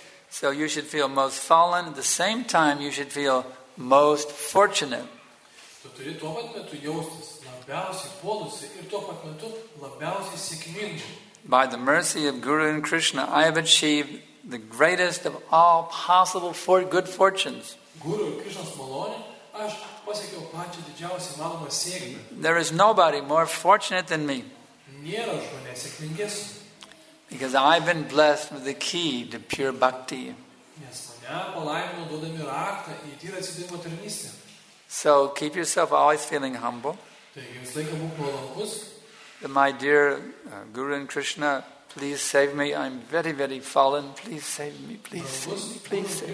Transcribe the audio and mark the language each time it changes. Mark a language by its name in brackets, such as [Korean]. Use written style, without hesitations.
[English] So you should feel most fallen, at the same time you should feel most fortunate. By the mercy of Guru and Krishna, I have achieved the greatest of all possible good fortunes. [Lithuanian] Guru Krishna's malone, aš pasiekiau pačią didžiausią malonę sėkmę. [English] There is nobody more fortunate than me. [Lithuanian] Nėra žmonės sėkmingesnis. [English] Because I've been blessed with the key to pure bhakti. [Lithuanian] Nes mane palaimino duodami raktą į tyrą atsidavimo tarnystę. [English] So keep yourself always feeling humble. [Lithuanian] Taigi visą laiką būk nuolankus. [English] My dear Guru and Krishna, please save me. I'm very, very fallen. Please save me. Please save me.